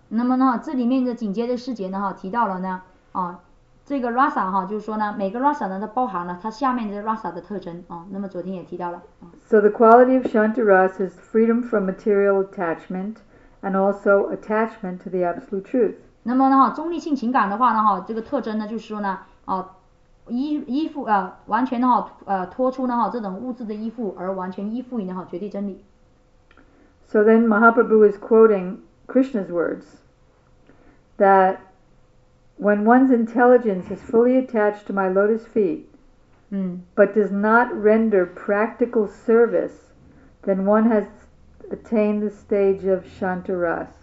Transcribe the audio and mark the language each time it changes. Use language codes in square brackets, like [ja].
[zh] 那么呢，这里面的紧接着四节呢，哈，提到了呢，啊，这个 rasa 哈，就是说呢，每个 rasa 呢，它包含了它下面的 rasa 的特征啊。那么昨天也提到了。 [en] So the quality of Shantaras is freedom from material attachment and also attachment to the absolute truth. [zh] 那么呢哈，中立性情感的话呢哈，这个特征呢就是说呢，啊，依附完全的哈，脱出呢哈这种物质的依附，而完全依附于呢哈绝对真理。 [en] So then Mahaprabhu is quoting Krishna's words that when one's intelligence is fully attached to my lotus feet. But does not render practical service, then one has attained the stage of Shantaras.